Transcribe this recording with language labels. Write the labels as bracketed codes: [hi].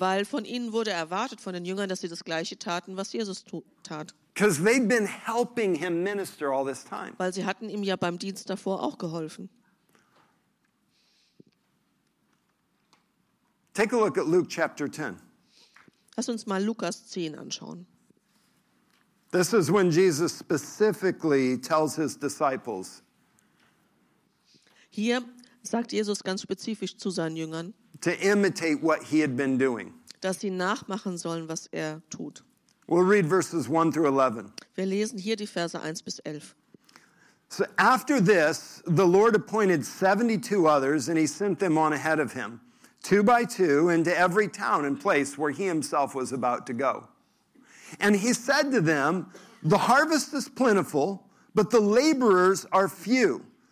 [de] Weil von ihnen wurde erwartet, von den Jüngern, dass sie das Gleiche taten, was Jesus tat. [en] Because they'd been helping him minister all this time. [de] Weil sie hatten ihm ja beim Dienst davor auch geholfen. [en] Take a look at Luke chapter 10. [de] Lass uns mal Lukas 10 anschauen. [en] This is when Jesus specifically tells his disciples. [de] Hier sagt Jesus ganz spezifisch zu seinen Jüngern, [en] to imitate what he had been doing. [de] Dass sie nachmachen sollen, was er tut. [en] We'll read verses 1 through 11. [de] Wir lesen hier die Verse 1 bis 11. [en] So after this, the Lord appointed 72 others and he sent them on ahead of him, two by two, into every town and place where he himself was about to go. And he said to them, the harvest is plentiful, but the laborers are few.